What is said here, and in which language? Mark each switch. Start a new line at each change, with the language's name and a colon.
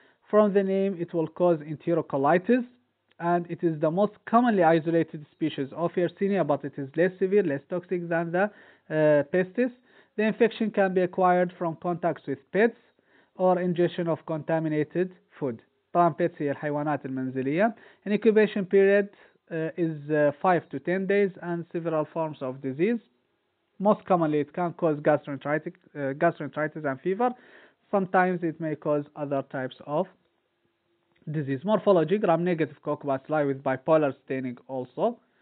English: From the name, it will cause enterocolitis, and it is the most commonly isolated species of Yersinia, but it is less severe, less toxic than the pestis. The infection can be acquired from contacts with pets or ingestion of contaminated food.
Arabic: طبعاً pets هي الحيوانات المنزلية.
English: An incubation period is 5 to 10 days and several forms of disease. Most commonly, it can cause gastroenteritis and fever. Sometimes it may cause other types of disease. Morphology, gram-negative cocobats lie with bipolar staining also.